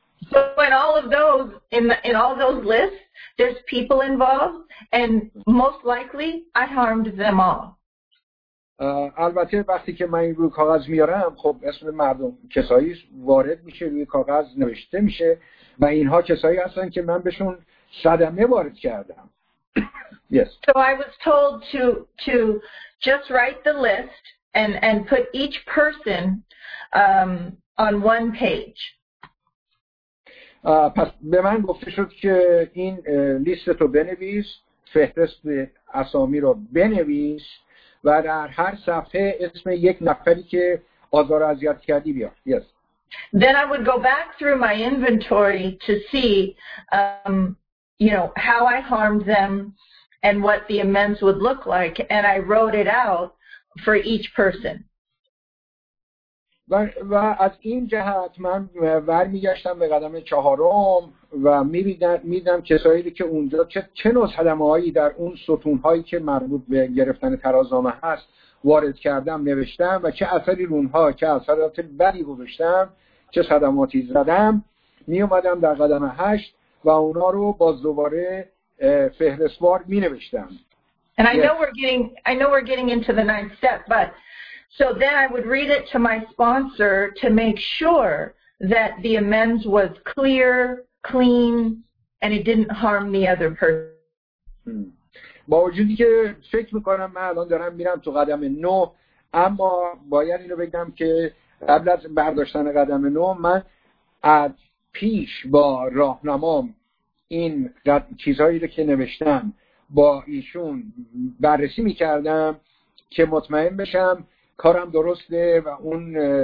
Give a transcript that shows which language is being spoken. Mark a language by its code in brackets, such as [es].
[en] So in all of those in all those lists there's people involved and most likely I harmed them all. [fa] البته وقتی که من روی کاغذ میارم، خب اسم مردم کسایی وارد میشه، روی کاغذ نوشته میشه و اینها کسایی هستن که من بهشون صدمه وارد کردم. [en] Yes. So I was told to just write the list and put each person on one page. [fa] پس به من گفته شد که این لیست رو بنویس، فهرست اسامی رو بنویس و در هر صفحه اسم یک نفری که آزار و اذیت کردی بیار. [en] Yes. Then I would go back through my inventory to see you know how I harmed them and what the amends would look like, and I wrote it out for each person. [fa] و از این جهت من برمیگشتم به قدم چهارم و می‌دیدم کسایی که اونجا چه نوع صدمه‌هایی در اون ستون‌هایی که مربوط به گرفتن ترازنامه هست وارد کردم، نوشتم و چه اثری رونها، چه اثرات بدی گذاشتم، چه صدماتی زدم. میومدم در قدم هشت و اونا رو باز دوباره فهرستوار می نوشتم. [en] And I know we're getting into the ninth step, but so then I would read it to my sponsor to make sure that the amends was clear, clean, and it didn't harm the other person. [fa] با وجودی که فکر میکنم من الان دارم میرم تو قدم نو، اما باید اینو بگم که قبل از برداشتن قدم نو من از پیش با راهنمام این چیزهایی رو که نوشتم با ایشون بررسی میکردم که مطمئن بشم کارم درسته و اون